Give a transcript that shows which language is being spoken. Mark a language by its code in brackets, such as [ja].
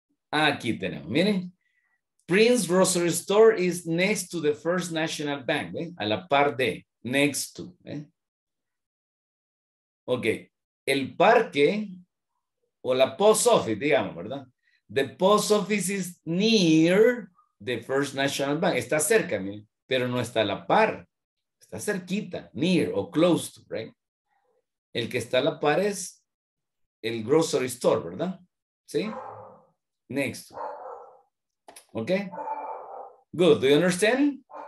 [es] Aquí tenemos, miren. [en] Prince Grocery Store is next to the First National Bank, [es] ¿ve? A la par de, [en] next to. [es] ¿Ve? Ok, el parque o la post office, digamos, ¿verdad? [en] The post office is near the First National Bank. [es] Está cerca, miren, pero no está a la par. Está cerquita, near o [en] close to, right? [es] El que está a la par es el grocery store, ¿verdad? ¿Sí? [en] Next to. ¿Ok? Good. Do you understand?